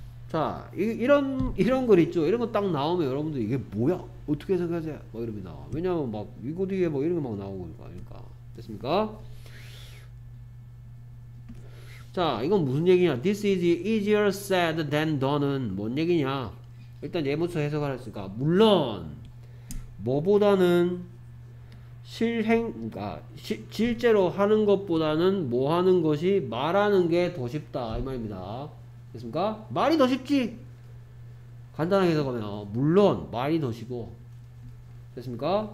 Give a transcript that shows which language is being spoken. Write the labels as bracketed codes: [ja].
[ko] 자 이런 글 있죠. 이런 거 딱 나오면 여러분들 이게 뭐야? 어떻게 해석하세요? 뭐 이럽니다. 왜냐하면 막 이거 뒤에 뭐 이런 거 막 나오고 그러니까. 됐습니까? 자 이건 무슨 얘기냐. [en] This is easier said than done은 [ko] 뭔 얘기냐. 일단 예부터 해석을 했으니까 물론 뭐보다는 실행 그러니까 실제로 하는 것보다는 뭐 하는 것이 말하는 게 더 쉽다 이 말입니다. 됐습니까? 말이 더 쉽지. 간단하게 해석하면 물론 말이 더 쉽고. 됐습니까?